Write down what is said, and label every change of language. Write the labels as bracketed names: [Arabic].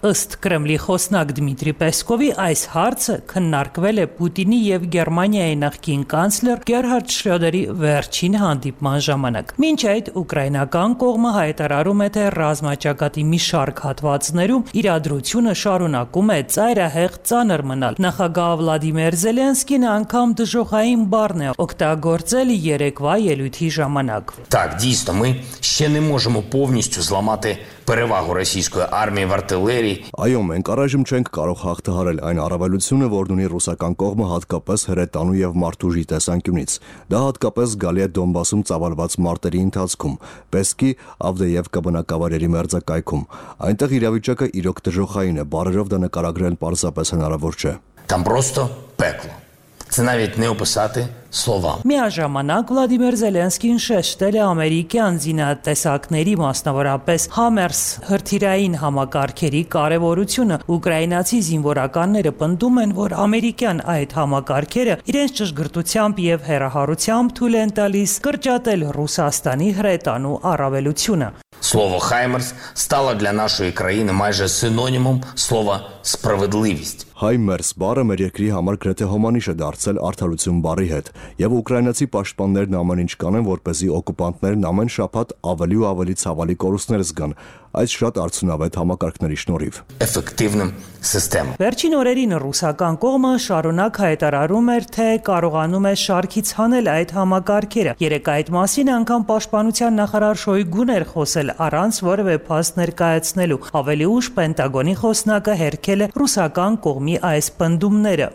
[Armenian] Ըստ Կրեմլի Հոսնակ Դմիտրի Պեսկովի, այս հարցը քննարկվել է Պուտինի և Գերմանիայի նախկին կանցլեր Գերհարդ Շրյոդերի վերջին հանդիպման ժամանակ։ Մինչ այդ ուկրաինական կողմը հայտարարում է, թե ռազմաճակատի մի շարք հատվածներում իրադրությունը շարունակում է ծայրահեղ ծանր մնալ։ Նախագահ Վլադիմիր Զելենսկին անգամ դժոխային բառն է օգտագործել երեկվա ելույթի ժամանակ։ [Ukrainian] Так, дійсно, ми ще не можемо повністю зламати перевагу російської армії в артилерії. [Armenian] Այո, մենք առայժմ չենք կարող հաղթահարել այն առավելությունը, որն ունի ռուսական կողմը հատկապես հրետանու և մարդուժի տեսանկյունից։ Դա հատկապես գալի է Դոնբասում ծավալված մարտերի ընթացքում, պեսկի, ավդեևկա բնակավայրերի մերձակայքում։ Այնտեղ իրավիճակը իրոք դժոխային է, բարերով դա նկարագրել պարզապես հնարավոր չէ։ [Ukrainian] Там просто пекло. Це навіть не описати словами. [Armenian] Միաժամանակ Վլադիմիր Զելենսկին շեշտել է ամերիկյան զինատեսակների, մասնավորապես Համերս հրթիրային համակարգերի կարևորությունը։ Ուկրաինացի զինվորականները պնդում են, որ ամերիկյան այդ համակարգերը իրենց ճշգրտությամբ և հեռահարությամբ թույլ են տալիս կրճատել Ռուսաստանի հրետանու առավելությունը։ [Ukrainian] Слово «Хаймерс» стало для нашої країни майже синонімом слова «справедливість». [Armenian] «Хаймерс» բառը մեր երկրի համար գրեթե հոմանիշ է դարձել արդարություն բառի հետ, և ուկրաինացի պաշտպաններն ամեն ինչ կանեն, որպեսզի օկուպանտներն ամեն շաբաթ ավելի ու ավելի ցավալի կորուստներ զգան, այս շատ արդյունավետ համակարգների շնորհիվ։ Վերջին օրերին ռուսական կողմը շարունակ հայտարարում էր, թե կարողանում է շարքից հանել այդ համակարգերը։ Երեկ այդ մասին անգամ պաշտպանության նախարար Շոյգուն էր խոսել, առանց որևէ փաստ ներկայացնելու։ Ավելի ուշ Պենտագոնի խոսնակը հերքել է ռուսական կողմի այս պնդումները։